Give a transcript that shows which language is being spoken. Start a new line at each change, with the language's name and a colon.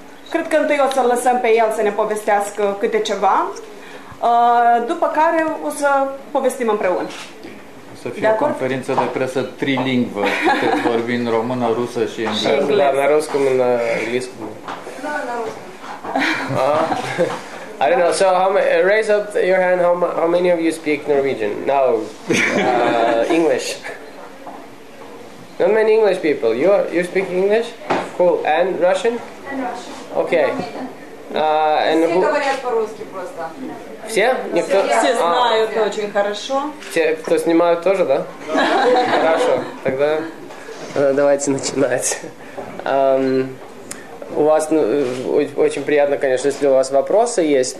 Romanian: Cred că întâi o să-l lăsăm pe el să ne povestească câte ceva. După care o să povestim împreună. O să fie o conferință de presă trilingvă, puteți vorbi în română, rusă și engleză. La rus cum în engleză. La
English: rus. I don't know, so raise up your hand, how many of you speak Norwegian? No, English. Not many English people, you speak English? Cool, and Russian? And Russian. Okay.
Russian: Все говорят по-русски просто. Все? Никто? Все знают очень хорошо. Те, кто снимают, тоже, да? Хорошо. Тогда давайте начинать. У вас очень приятно, конечно, если у вас вопросы есть.